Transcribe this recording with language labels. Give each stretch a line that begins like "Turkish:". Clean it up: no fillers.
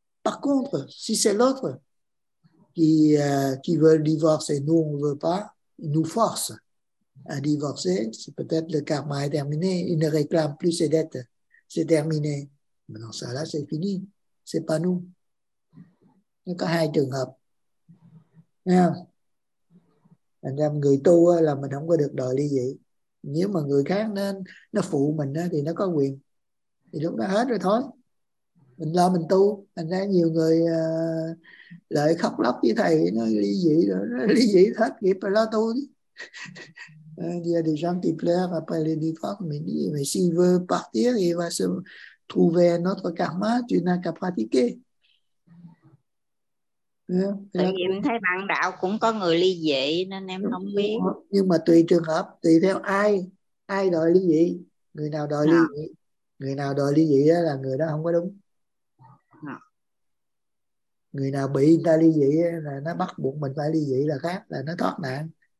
French: Par contre, si c'est l'autre qui veut le divorce et nous, on ne veut pas, il nous force à divorcer, c'est peut-être le karma est terminé, il ne réclame plus ses dettes, c'est terminé. Mais dans ça là, c'est fini, c'est pas nous. Il y a deux
Vietnamese: trường hợp. Thành ra người tu là mình không có được đòi ly dị. Nếu mà người khác nó phụ mình thì nó có quyền. Thì lúc đó hết rồi thôi. Mình lo mình tu. Thành ra nhiều người lại khóc lóc với thầy, nói ly dị rồi, ly dị hết nghiệp rồi lo tu đi.
French: Il y a des gens qui pleurent après les divorces, mais s'il veut partir, il va se trouver un autre karma, tu n'as qu'à pratiquer.
Vietnamese: Nhưng mà tùy trường hợp, tùy theo ai, ai đòi ly dị, người nào đòi ly dị, người nào đòi ly dị là người đó không có đúng. Người nào bị người ta ly dị là nó bắt buộc mình phải ly dị là khác, là nó thoát nạn.